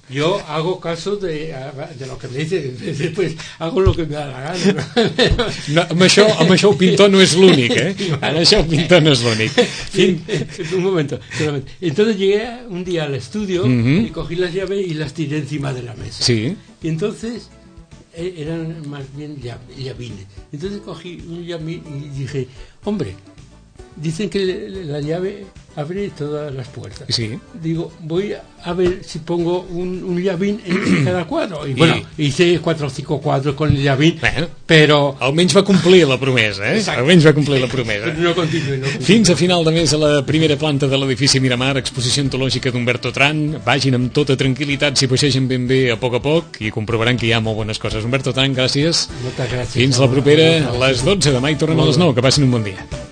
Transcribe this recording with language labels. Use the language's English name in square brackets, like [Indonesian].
[Spanish] Yo hago caso de lo que me dicen, pues hago lo que me da la gana. [Catalan] No, amb això el pintor no és l'únic, eh? Amb això el pintor no és l'únic. [Spanish] Un momento, solamente. Entonces llegué un día al estudio, y cogí las llaves y las tiré encima de la mesa. Sí. Y entonces, eran más bien llavines. Entonces cogí un llavín y dije, hombre, dicen que la llave... abre todas las puertas. Sí. Digo, voy a ver si pongo un llavín en cada cuadro. Y bueno, hice 4 o 5 cuadros con el llavín, pero... [Catalan] Almenys va complir la promesa, eh? Almenys va complir la promesa. No continuï. Fins a final de mes a la primera planta de l'edifici Miramar, exposició antològica d'Humberto Trant. Vagin amb tota tranquil·litat, si baixegen ben bé a poc i comprovaran que hi ha molt bones coses. Humberto Trant, gràcies. Moltes gràcies. Fins la propera, a les 12 de mai, tornem a les 9. Que passin un bon dia.